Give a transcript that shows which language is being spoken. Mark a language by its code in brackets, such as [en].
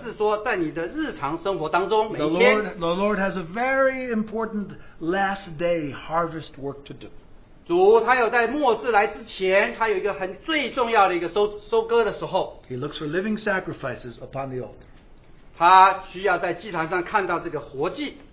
[zh] 我并不是说好像你真正把自己当做全时间来传道或者怎么样，而是说在你的日常生活当中， [en] the Lord has a very important last day harvest work to do. [zh] 主他有在末世来之前，他有一个很最重要的一个收割的时候。 [en] He looks for living sacrifices upon the altar. [zh] 他需要在祭坛上看到这个活祭。